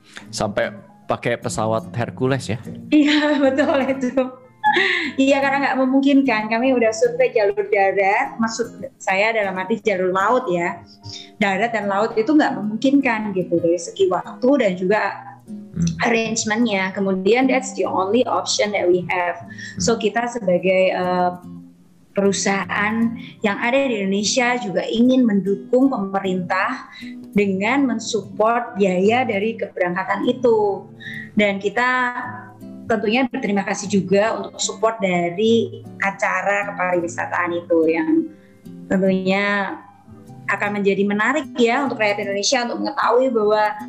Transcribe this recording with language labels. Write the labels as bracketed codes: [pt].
[id] Sampai pakai pesawat Hercules ya? Iya, betul itu. Iya, karena gak memungkinkan. Kami udah survei jalur darat, maksud saya dalam arti jalur laut ya. Darat dan laut itu gak memungkinkan gitu, dari segi waktu dan juga arrangementnya. Kemudian [en] that's the only option that we have. [id] So kita sebagai perusahaan yang ada di Indonesia juga ingin mendukung pemerintah dengan mensupport biaya dari keberangkatan itu. Dan kita tentunya berterima kasih juga untuk support dari acara kepariwisataan itu yang tentunya akan menjadi menarik ya untuk rakyat Indonesia untuk mengetahui bahwa